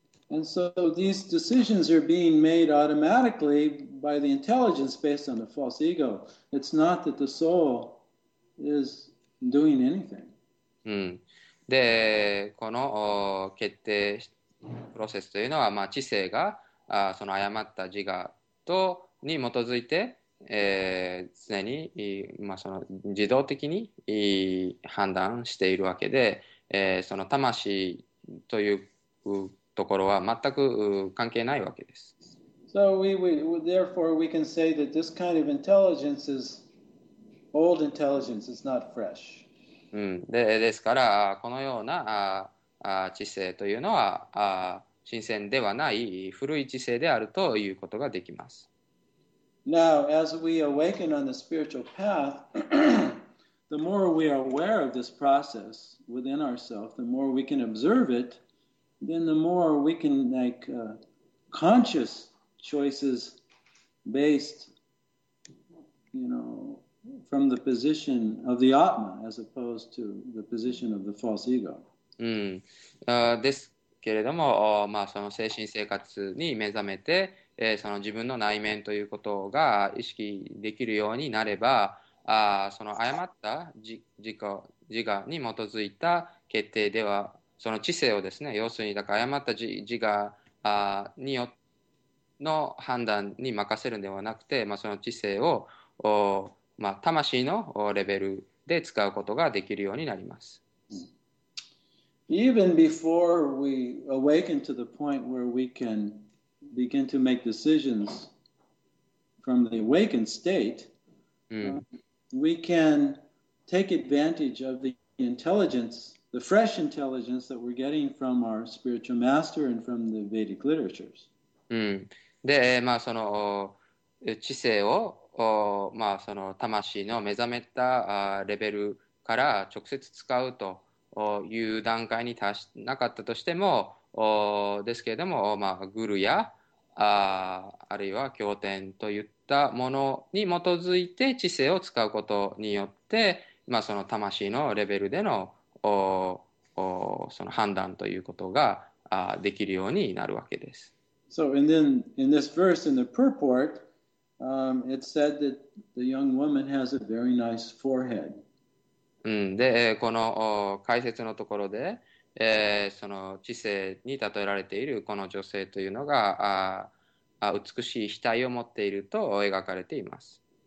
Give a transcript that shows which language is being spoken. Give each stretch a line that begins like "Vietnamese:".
English: And so these decisions are being made automatically by the intelligence based on the false ego. It's not that the soul is doing anything.
Japanese: で、この決定プロセスというのは、まあ、知性がその誤った自我とに基づいて、常に、まあ、その自動的に判断しているわけで、その魂というところは全く関係ないわけです。
English: So we therefore we can say that this kind of intelligence is old intelligence, it's not fresh.
Japanese: うん、ですからこのような知性というのは新鮮ではない古い知性であるということができます。
English: Now as we awaken on the spiritual path the more we are aware of this process within ourselves, the more we can observe it, then the more we can make conscious choices based, you knowfrom the position of the Atma as opposed to the position of the false ego.
Japanese: ですけれども、まあ、その精神生活に目覚めて、その自分の内面ということが意識できるようになれば、その誤った自我に基づいた決定では、その知性をですね、要するにだから誤った自我によっの判断に任せるのではなくて、まあ、その知性をまあ、魂のレベルで使うことができるようになります。
English: Even before we awaken to the point where we can begin to make decisions from the awakened state,、we can take advantage of the intelligence, the fresh intelligence that we're getting from our spiritual master and from the Vedic literatures.、
Japanese: で、まあ、その知性をまあ、その魂の目覚めたレベルから直接使うという段階に達しなかったとしてもですけれども、まあ、グルやあるいは経典といったものに基づいて知性を使うことによって、まあ、その魂のレベルでのその判断ということができるようになるわけです。
English: So and then in this verse in the purportit's said that the young woman has a very nice forehead.
Japanese: で、この解説のところで、その知性に例えられているこの女性というのが、美しい額を持っていると描かれています。